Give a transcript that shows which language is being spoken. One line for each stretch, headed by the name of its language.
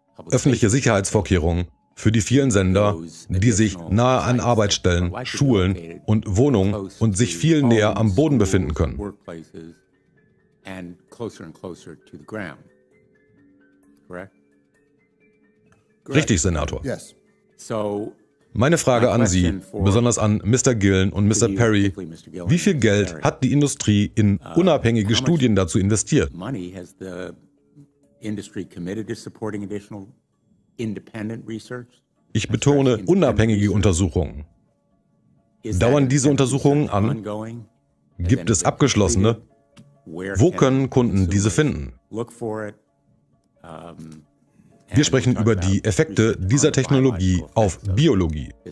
German: Öffentliche Sicherheitsvorkehrungen für die vielen Sender, die sich nahe an Arbeitsstellen, Schulen und Wohnungen und sich viel näher am Boden befinden können.
English: and closer and closer to the ground. Correct?
German: Richtig, Senator.
English: Yes. So,
German: meine Frage an Sie, besonders an Mr. Gillen und Mr. Perry: Wie viel Geld hat die Industrie in unabhängige Studien dazu investiert?
English: Money has the industry committed to supporting additional independent research?
German: Ich betone unabhängige Untersuchungen. Dauern diese Untersuchungen an? Gibt es abgeschlossene? Wo können Kunden diese finden? Wir sprechen über die Effekte dieser Technologie auf Biologie.